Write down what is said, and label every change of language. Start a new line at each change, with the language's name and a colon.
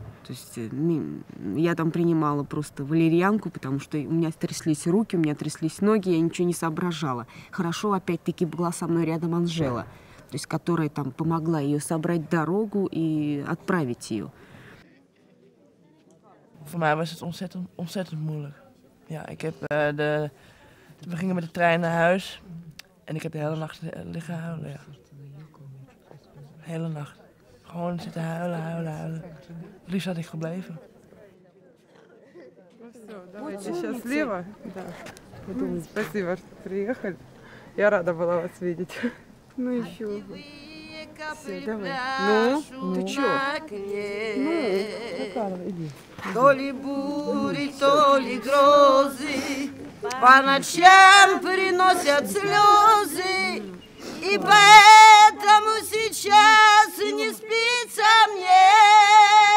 Russian: То есть я там принимала просто валерьянку, потому что у меня тряслись руки, у меня тряслись ноги, я ничего не соображала. Хорошо, опять-таки, была со мной рядом Анжела, то есть, которая там помогла ее собрать дорогу и отправить ее.
Dutch: Voor mij was het ontzettend moeilijk. Ja, ik heb we gingen met de trein naar huis en ik heb de hele nacht liggen huilen. Ja. Hele nacht. Gewoon zitten huilen. Liefst had ik gebleven.
Russian: Все, давайте сейчас слева. Да. Спасибо, что приехали. Я рада была вас видеть. Ну еще бы. Все, давай. Ну, ты че? Ну, Макарова, иди. То ли бури, то ли грозы, по ночам приносят слезы, и поэтому сейчас не спится мне.